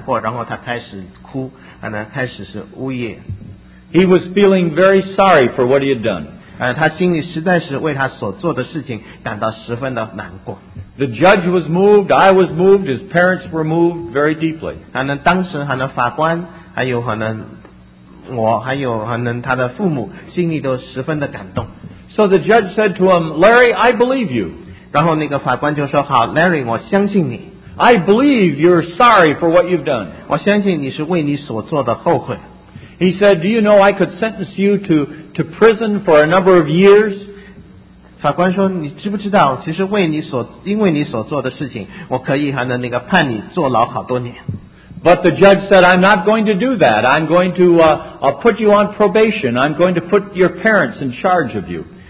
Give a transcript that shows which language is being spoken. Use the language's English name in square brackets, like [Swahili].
[Chinese] 然后那个年轻人说,是的,我的确很难过,然后他开始哭,开始是呜咽。 [English] He was feeling very sorry for what he had done. [Chinese] 他心里实在是为他所做的事情感到十分的难过。 [English] The judge was moved, I was moved, his parents were moved very deeply. [Chinese] 还能当时还能法官,还有可能我,还有可能他的父母,心里都十分的感动。 [English] So the judge said to him, Larry, I believe you. [Chinese] 然后那个法官就说,好,Larry,我相信你。 [English] I believe you're sorry for what you've done. [Chinese] 我相信你是为你所做的后悔。 [English] He said, Do you know I could sentence you to prison for a number of years? [Chinese] 法官说,你知不知道,其实为你所,因为你所做的事情,我可以还能那个判你坐牢好多年。 [English] But the judge said, I'm not going to do that. I'm going to put you on probation. I'm going to put your parents in charge of you.